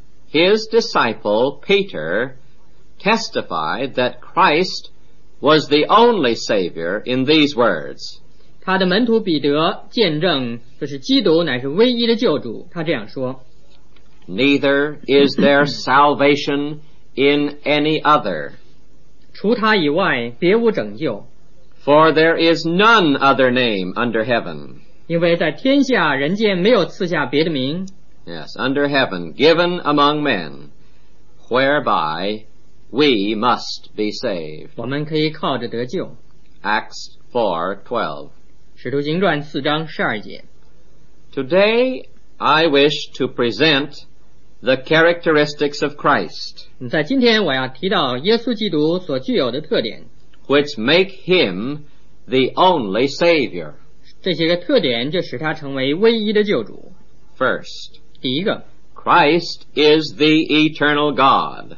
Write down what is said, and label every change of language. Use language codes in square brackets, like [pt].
[en] His disciple Peter testified that Christ was the only Savior in these words. [zh] 他的门徒彼得见证就是基督乃是唯一的救主，他这样说。 [en] Neither is there salvation in any other. [zh] 除他以外别无拯救。 [en] For there is none other name under heaven. [zh] 因为在天下人间没有赐下别的名。 [en] Yes, under heaven, given among men, whereby we must be saved. [zh] 我们可以靠着得救。 [en] Acts 4:12. [zh] 使徒行传四章十二节。 [en] Today I wish to present the characteristics of Christ. [zh] 在今天我要提到耶稣基督所具有的特点。 [en] Which make him the only Savior. [zh] 这些个特点就使他成为唯一的救主。 [en] First, [zh] 第一个， [en] Christ is the eternal God.